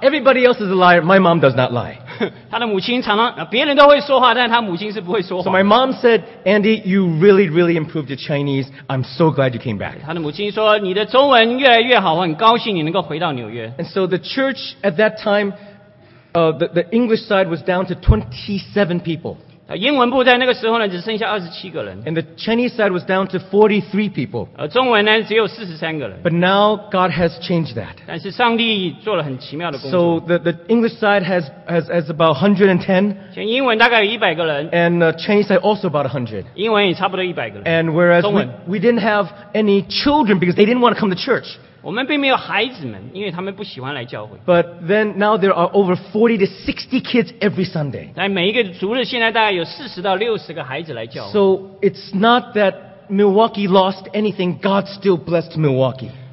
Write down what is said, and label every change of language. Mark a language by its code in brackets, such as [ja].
[en] Everybody else is a liar, my mom does not lie. [zh] 她的母亲常常,别人都会说话,但她母亲是不会说谎。 [en] So my mom said, Andy, you really, really improved your Chinese, I'm so glad you came back. [zh] 她的母亲说,你的中文越来越好,很高兴你能够回到纽约。 [en] And so the church at that time, the English side was down to 27 people. [zh] 英文部在那个时候呢,只剩下27个人。 [en] And the Chinese side was down to 43 people. [zh] 中文呢,只有43个人。 [en] But now God has changed that. [zh] 但是上帝做了很奇妙的工作。 [en] So the English side has about 110. [zh] 现在英文大概有100个人。 [en] And the Chinese side also about 100. [zh] 英文也差不多100个人。 [en] And whereas we didn't have any children because they didn't want to come to church. [zh] 我们并没有孩子们,因为他们不喜欢来教会。 [en] But then now there are over 40 to 60 kids every Sunday. [zh] 每一个主日现在大概有40到60个孩子来教会。 [en] So it's not that Milwaukee lost anything, God still blessed Milwaukee.